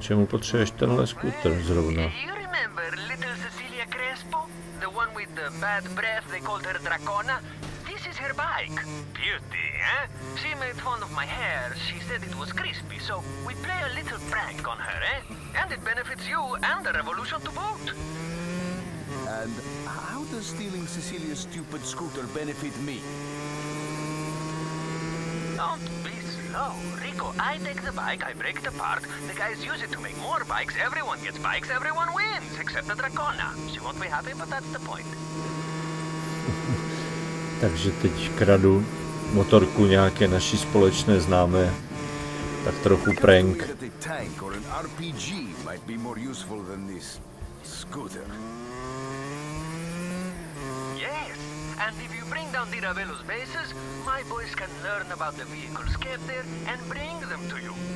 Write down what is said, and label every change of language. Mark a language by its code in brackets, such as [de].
[cs] čemu potřebuješ tenhle skuter zrovna? [en] You remember little Cecilia Crespo? The one with the bad breath, they called her Dracona? This is her bike. Beauty, eh? She made fun of my hair. She said it was crispy, so we play a little prank on her, eh? And it benefits you and the revolution to boot. And how does stealing Cecilia's stupid scooter benefit me? Don't be slow, Rico. I take the bike, I break it apart. The guys use it to make more bikes. Everyone gets bikes, everyone wins, except the Dracona. She won't be happy, but that's the point. [cs] Takže teď kradu motorku nějaké naší společné známé. Tak trochu prank. [en] A tank or an RPG might be more useful than this scooter. Yes, and if you bring down Diravelo's bases, my boys can learn about the vehicles kept there and bring them to you.